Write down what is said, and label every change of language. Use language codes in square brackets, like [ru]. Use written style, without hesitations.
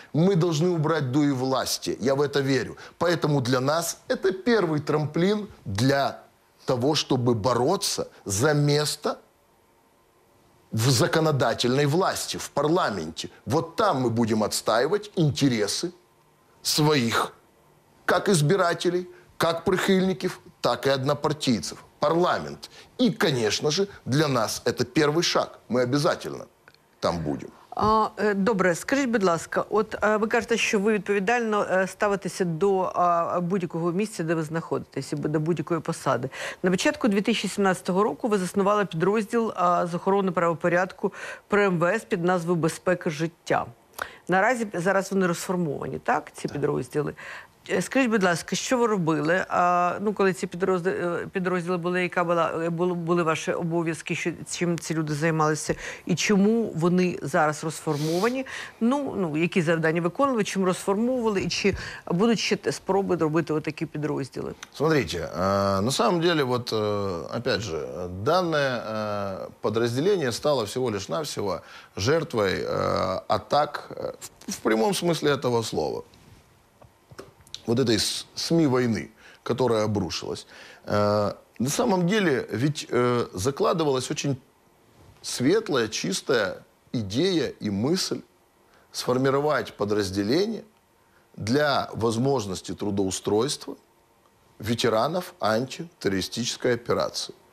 [ru] Мы должны убрать дуи власти. Я в это верю. Поэтому для нас это первый трамплин для того, чтобы бороться за место в законодательной власти, в парламенте. Вот там мы будем отстаивать интересы своих, как избирателей, как прихильников, так и однопартийцев. Парламент. И, конечно же, для нас это первый шаг. Мы обязательно там будем. [uk] Добре, скажіть, будь ласка, от ви кажете, що ви відповідально ставитеся до будь-якого місця, де ви знаходитесь, до будь-якої посади. На початку 2017 року ви заснували підрозділ з охорони правопорядку при МВС під назвою «Безпека життя». Наразі зараз вони розформовані, так, ці підрозділи. скажіть, будь ласка, що ви робили, ну, коли ці підрозділи були, яка була, були ваші обов'язки, що, чим ці люди займалися, і чому вони зараз розформовані, ну, які завдання виконували, чим розформовували, і чи будуть ще спроби робити отакі підрозділи? [ru] Смотрите, на самом деле, вот, опять же, данное подразделение стало всего лишь навсего жертвой атак в прямом смысле этого слова. Вот этой СМИ войны, которая обрушилась. На самом деле ведь закладывалась очень светлая, чистая идея и мысль сформировать подразделение для возможности трудоустройства ветеранов антитеррористической операции.